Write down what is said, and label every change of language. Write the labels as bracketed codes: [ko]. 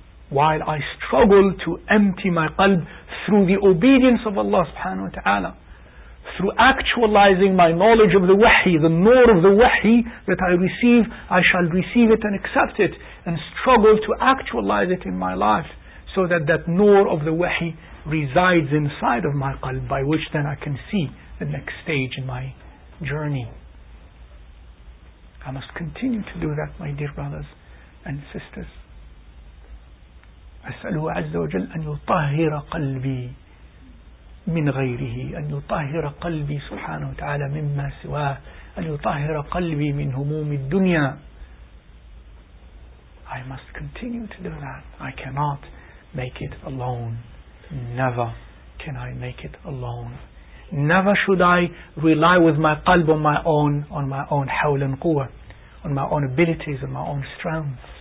[en] While I struggle to empty my qalb through the obedience of Allah subhanahu wa ta'ala, through actualizing my knowledge of the wahi, the nur of the wahi that I receive, I shall receive it and accept it and struggle to actualize it in my life so that that nur of the wahi resides inside of my qalb, by which then I can see the next stage in my journey. I must continue to do that, my dear brothers and sisters. [ar] أسأله عز وجل أن يطهر قلبي من غيره, أن يطهر قلبي سبحانه وتعالى مما سواه, أن يطهر قلبي من هموم الدنيا. [en] I must continue to do that. I cannot make it alone. Never can I make it alone. Never should I rely with my qalb on my own hawl and quwwah, on my own abilities and my own strength.